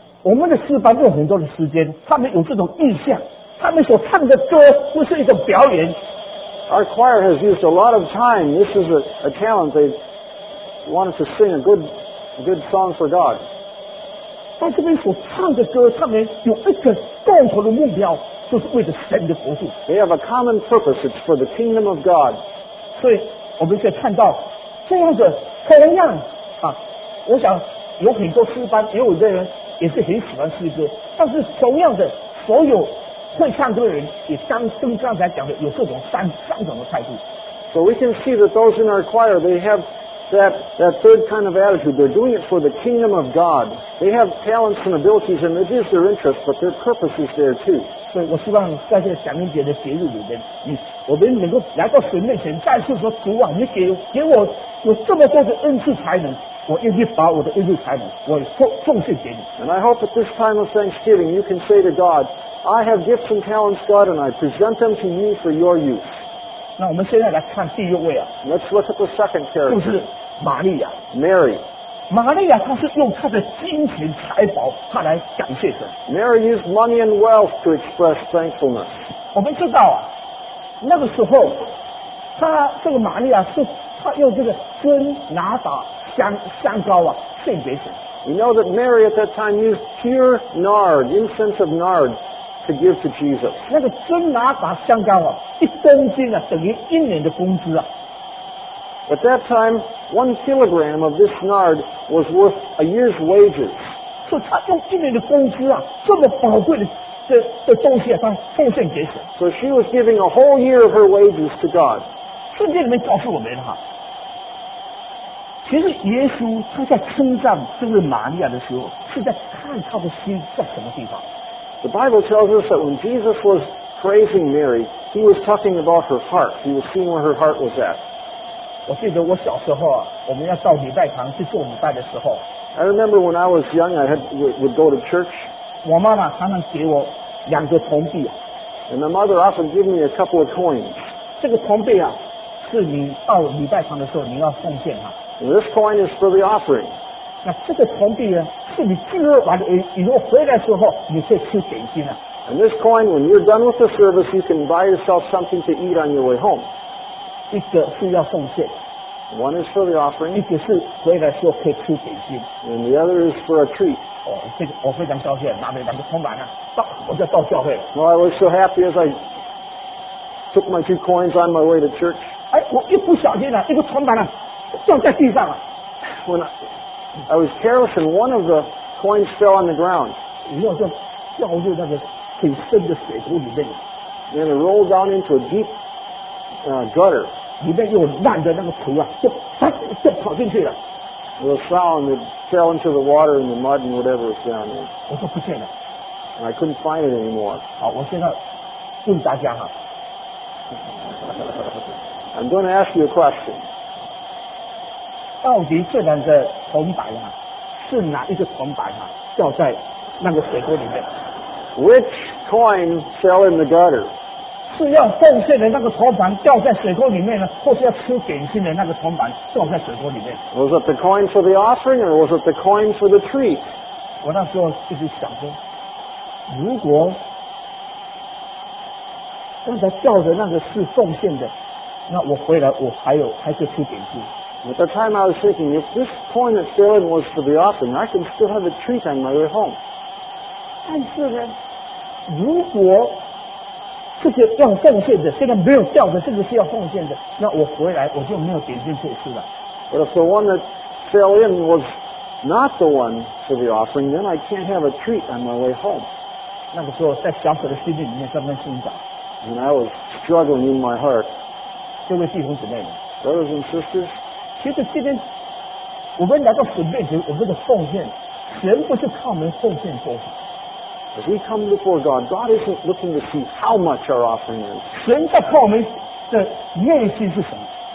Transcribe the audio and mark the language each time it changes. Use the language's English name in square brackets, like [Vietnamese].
[Chinese] 我们的诗班有很多的时间，他们有这种意象，他们所唱的歌不是一种表演。 [English] Our choir has used a lot of time. This is a talent. They want us to sing a good song for God. [Chinese] 但这边所唱的歌，他们有一个共同的目标，就是为了神的国度。 [English] They have a common purpose. It's for the kingdom of God. [Chinese] 所以我们可以看到这样的同样啊，我想有很多诗班，也有的人也是很喜欢诗歌，但是同样的，所有会唱歌的人也跟刚才讲的有各种三种的态度。 [English] So we can see that those in our choir, they have that third kind of attitude. They're doing it for the kingdom of God. They have talents and abilities, and it is their interest, but their purpose is there too. [Chinese] 所以我希望在这个小明姐的节日里面，我们能够来到神面前，再次说主啊，你给我有这么多的恩赐才能。我愿意把我的恩赐才能，我奉献给你。 [English] And I hope at this time of Thanksgiving, you can say to God, I have gifts and talents, God, and I present them to you for your use. [Chinese] 那我们现在来看第一位啊。 [English] Let's look at the second character. [Chinese] 就是玛利亚。 [English] Mary. [Chinese] 玛利亚她是用她的金钱财宝，她来感谢神。 [English] Mary used money and wealth to express thankfulness. [Chinese] 我们知道啊，那个时候，她这个玛利亚是她用这个尊拿达。香膏啊，圣洁品。 [English] You know that Mary at that time used pure nard, incense of nard, to give to Jesus. [Chinese] 那个真拿达香膏啊，一公斤啊，等于一年的工资啊。 [English] At that time, one kilogram of this nard was worth a year's wages. [Chinese] 所以他用一年的工资啊，这么宝贵的东西啊，他奉献给神。 [English] So she was giving a whole year of her wages to God. [Chinese] 圣经里面告诉我们哈。其实耶稣他在称赞这位玛利亚的时候，是在看他的心在什么地方。 [English] The Bible tells us that when Jesus was praising Mary, he was talking about her heart. He was seeing where her heart was at. [Chinese] 我记得我小时候啊，我们要到礼拜堂去做礼拜的时候。 [English] I remember when I was young, I would go to church. [Chinese] 我妈妈常常给我两个铜币。 [English] And my mother often gave me a couple of coins. [Chinese] 这个铜币啊，是你到礼拜堂的时候你要奉献啊。 [English] This coin is for the offering. [Chinese] 那这个铜币呢，是你聚会完了以后回来的时候，你可以吃点心啊。 [English] And this coin, when you're done with the service, you can buy yourself something to eat on your way home. [Chinese] 一个是要奉献。 [English] One is for the offering. [Chinese] 一个是回来时候可以吃点心。 [English] And the other is for a treat. [Chinese] 我非常高兴，拿着两个铜板啊，我就到教会了。 [English] Well, I was so happy as I took my two coins on my way to church. [Chinese] 哎，我一不小心啊，一个铜板啊。掉在地上了。 [English] When I was careless and one of the coins fell on the ground. [Chinese] 然后就掉入那个很深的水沟里面。 [English] And it rolled down into a deep gutter. [Chinese] 里面又烂的那个土啊，就跑进去了。 [English] The sound it fell into the water and the mud and whatever was down there. [Chinese] 我说不见了。 [English] And I couldn't find it anymore. [Chinese] 好，我现在问大家哈。 [English] I'm going to ask you a question. [Chinese] 到底这两个铜板啊，是哪一个铜板啊掉在那个水沟里面 [English] ？Which coin fell in the gutter？ [Chinese] 是要奉献的那个铜板掉在水沟里面呢，或是要吃点心的那个铜板掉在水沟里面 [English] ？Was it the coin for the offering or was it the coin for the treat？ [Chinese] 我那时候一直想说，如果刚才掉的那个是奉献的，那我回来我还可以吃点心。 [English] At the time I was thinking, if this coin that fell in was for the offering, I can still have a treat on my way home. [Chinese] 但是呢，如果这个要奉献的，现在没有掉的，这个是要奉献的，那我回来我就没有点心可以吃了。 [English] But if the one that fell in was not the one for the offering, then I can't have a treat on my way home. [Chinese] 那个时候在小小的心里面在那挣扎。 [English] And I was struggling in my heart. [Chinese] 各位弟兄姊妹们 [English] ，Brothers and sisters. [Chinese] 其实今天我们来到神面前，我们的奉献，神不是靠我们奉献多少。 [English] As we come before God, God isn't looking to see how much our offering is. [Chinese] 神在靠我们的内心是什么